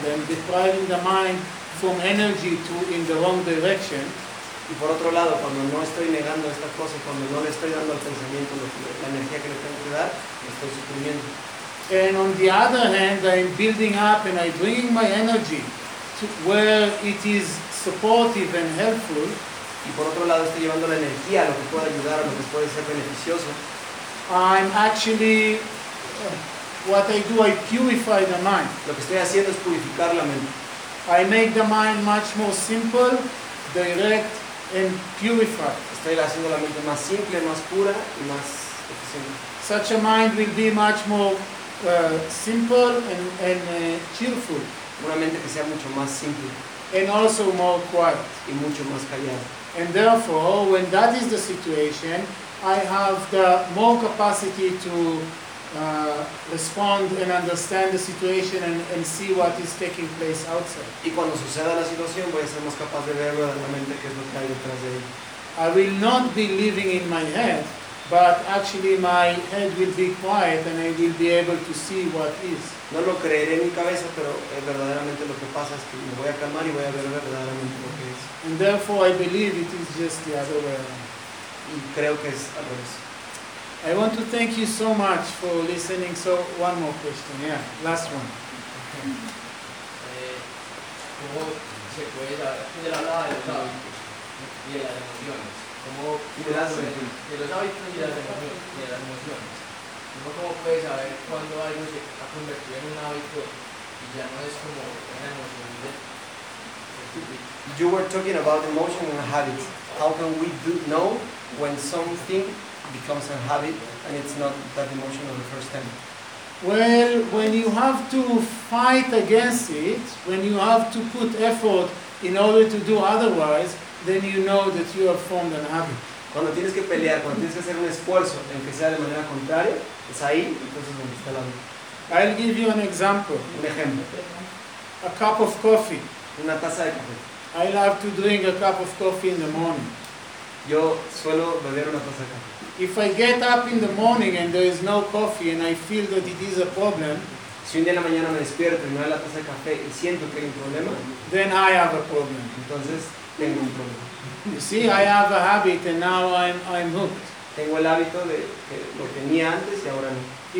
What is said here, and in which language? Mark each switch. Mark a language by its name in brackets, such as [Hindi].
[English] I'm depriving the mind from energy to in the wrong direction. [Spanish] Y por otro lado, cuando no estoy negando esta cosa, cuando no le estoy dando al pensamiento la energía que le tengo que dar, me estoy suprimiendo. [English] And on the other hand, I'm building up and I'm bringing my energy to where it is supportive and helpful. [Spanish] Y por otro lado, estoy llevando la energía a lo que pueda ayudar, a lo que puede ser beneficioso. [English] I'm actually, what I do, I purify the mind. [Spanish] Lo que estoy haciendo es purificar la mente. [English] I make the mind much more simple, direct, and purified. [Spanish] Estoy haciendo la mente más simple, más pura, y más eficiente. [English] Such a mind will be much more simple and cheerful. [Spanish] Una mente que sea mucho más simple. [English] And also more quiet. [Spanish] Y mucho más callada. [English] And therefore, when that is the situation, I have the more capacity to respond and understand the situation and see what is taking place outside. [Spanish] Y cuando suceda la situación, voy a ser más capaz de ver realmente qué es lo que hay detrás de ella. [English] I will not be living in my head, but actually my head will be quiet and I will be able to see what is. [Spanish] No lo creeré en mi cabeza, pero verdaderamente lo que pasa es que me voy a calmar y voy a ver verdaderamente lo que es. [English] And therefore I believe it is just the other way around. [Spanish] Y creo que es al revés. [English] I want to thank you so much for listening. So one more question, yeah, last one. [Spanish] ¿Cómo se puede hablar de los hábitos y de las emociones? ¿Cómo puede, de los hábitos y de las emociones? ¿Cómo puedes saber cuando algo se ha convertido en un hábito y ya no es como una emoción? [English] You were talking about emotion and habits. How can we know when something becomes a habit and it's not that emotion of the first time? Well, when you have to fight against it, when you have to put effort in order to do otherwise, then you know that you have formed a habit. [Spanish] Cuando tienes que pelear, cuando tienes que hacer un esfuerzo en que sea de manera contraria, es ahí entonces donde está el hábito. [English] I'll give you an example. [Spanish] Un ejemplo. [English] A cup of coffee. [Spanish] Una taza de café. [English] I love to drink a cup of coffee in the morning. [Spanish] Yo suelo beber una taza de café. [English] If I get up in the morning and there is no coffee and I feel that it is a problem, [Spanish] si un día en la mañana me despierto y no hay la taza de café y siento que hay un problema, [English] then I have a problem. [Spanish] Entonces tengo un problema. [English] You see, I have a habit and now I'm hooked. [Spanish] Tengo el hábito de que lo tenía antes y ahora no.